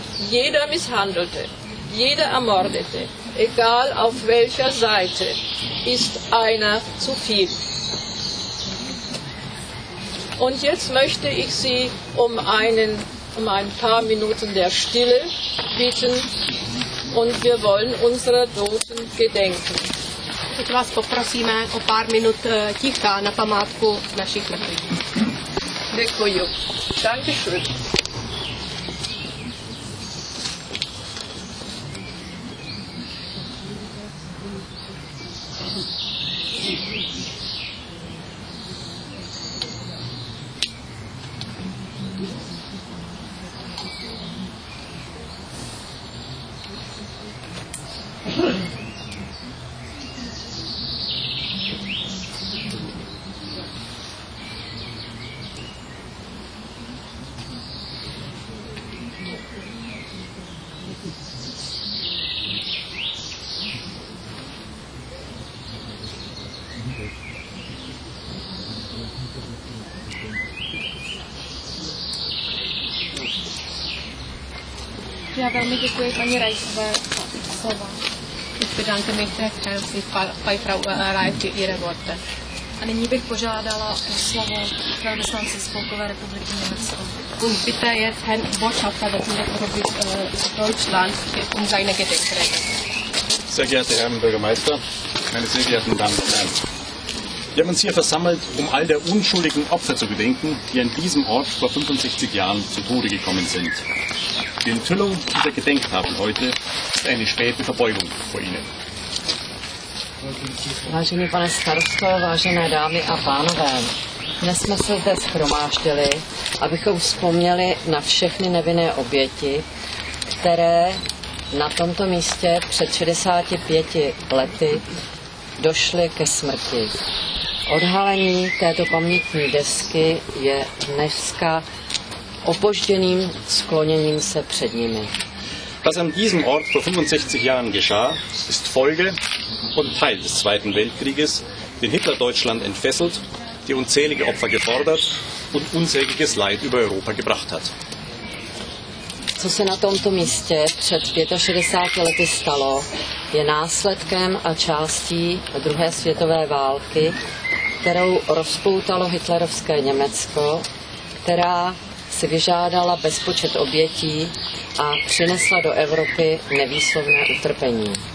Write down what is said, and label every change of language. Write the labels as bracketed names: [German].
[German] Jeder Misshandelte, jeder Ermordete, egal auf welcher Seite, ist einer zu viel. Und jetzt möchte ich Sie um ein paar Minuten der Stille bitten, und wir wollen unserer Toten gedenken. [Czech] Teď vás poprosíme o pár minut ticha na památku našich mrtvých. Děkuji. [German] Danke schön. [Czech] Velmi děkuji paní Reisové za vás. [German] Ich bedanke mich recht herzlich bei Frau Reif für ihre Worte. [Czech] A nyní bych požádala o slovo velvyslance Spolkové republiky Německo. [German] Und bitte jetzt Herrn Botschafter der Bundesrepublik Deutschland seine Gedenkrede. Sehr geehrte Herren Bürgermeister, meine sehr geehrten Damen und Herren. Wir haben uns hier versammelt, um all der unschuldigen Opfer zu gedenken, die an diesem Ort vor 65 Jahren zu Tode gekommen sind. Die Enthüllung dieser Gedenktafel heute ist eine späte Verbeugung vor Ihnen. [Czech] Vážený pane starosto, vážené dámy a pánové, dnes jsme se zde shromáždili, abychom vzpomněli na všechny nevinné oběti, které na tomto místě před 65 lety došly ke smrti. Odhalení této pamětní desky je dneska opožděným skloněním se před nimi. [German] Was an diesem Ort vor 65 Jahren geschah, ist Folge und Teil des Zweiten Weltkrieges, den Hitler Deutschland entfesselt, die unzählige Opfer gefordert und unzähliges Leid über Europa gebracht hat. [Czech] Co se na tomto místě před 65 lety stalo, je následkem a částí druhé světové války, kterou rozpoutalo hitlerovské Německo, která si vyžádala bezpočet obětí a přinesla do Evropy nevýslovné utrpení.